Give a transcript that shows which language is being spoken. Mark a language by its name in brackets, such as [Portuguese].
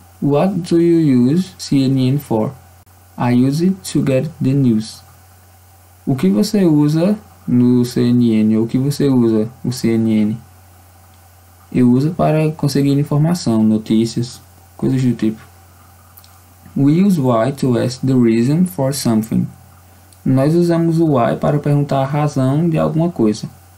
[English] What do you use CNN for? I use it to get the news. [Portuguese] O que você usa no CNN? Ou o que você usa o CNN? Eu uso para conseguir informação, notícias, coisas do tipo. [English] We use why to ask the reason for something. [Portuguese] Nós usamos o why para perguntar a razão de alguma coisa.